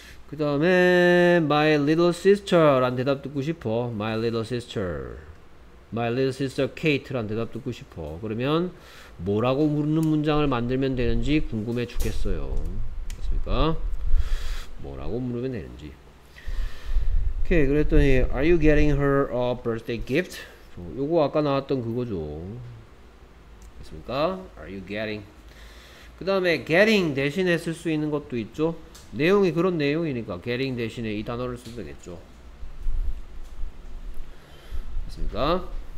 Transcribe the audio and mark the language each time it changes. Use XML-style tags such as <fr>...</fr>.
<ko>그 다음에</ko> <en>My little sister</en> <ko>란 대답 듣고 싶어.</ko> <en>My little sister. My little sister Kate란</en> <ko>대답 듣고 싶어. 그러면 뭐라고 물는 문장을 만들면 되는지 궁금해 죽겠어요. 됐습니까? 뭐라고 물으면 되는지. 오케이. 그랬더니</ko> <en>Are you getting her a birthday gift?</en> <ko>요거 아까 나왔던 그거죠. 됐습니까?</ko> <en>Are you getting?</en> <ko>그 다음에 getting 대신에 쓸 수 있는 것도 있죠. 내용이 그런 내용이니까 getting 대신에 이 단어를 쓰면 되겠죠. 됐습니까?</ko>